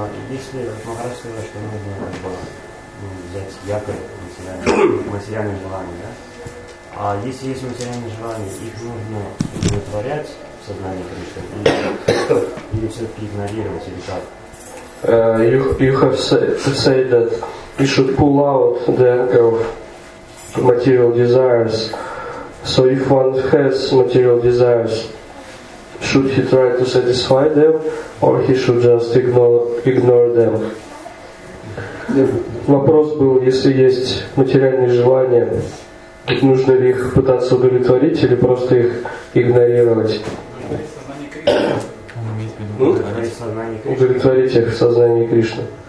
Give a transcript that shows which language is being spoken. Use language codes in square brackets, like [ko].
[ru] Если Махарадж сказал, что нужно взять якорь материальным желанием, да? А если есть материальные желания, их нужно удовлетворять в сознании Кришны или все-таки игнорировать или как? [en] You have to say that you should pull out the anchor of material desires. So if one has material desires, should he try to satisfy them or he should just ignore them? [ru] Вопрос был, если есть материальные желания, нужно ли их пытаться удовлетворить или просто их игнорировать? Удовлетворить их в сознании Кришны.